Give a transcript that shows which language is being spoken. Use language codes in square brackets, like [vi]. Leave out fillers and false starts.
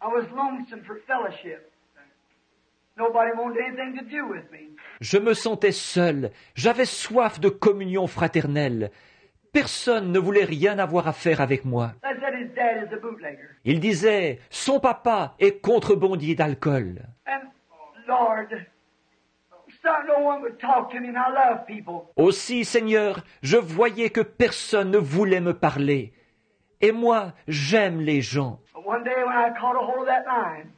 [en] I was lonesome for fellowship. Nobody wanted anything to do with me. [fr] Je me sentais seul. J'avais soif de communion fraternelle. Personne ne voulait rien avoir à faire avec moi. [en] They said his dad is a bootlegger. [fr] Il disait, son papa est contrebandier d'alcool. [en] And Lord, no one would talk to me and I love people. [fr] Aussi, Seigneur, je voyais que personne ne voulait me parler. Et moi, j'aime les gens. [en] One day when I caught a hold of that line.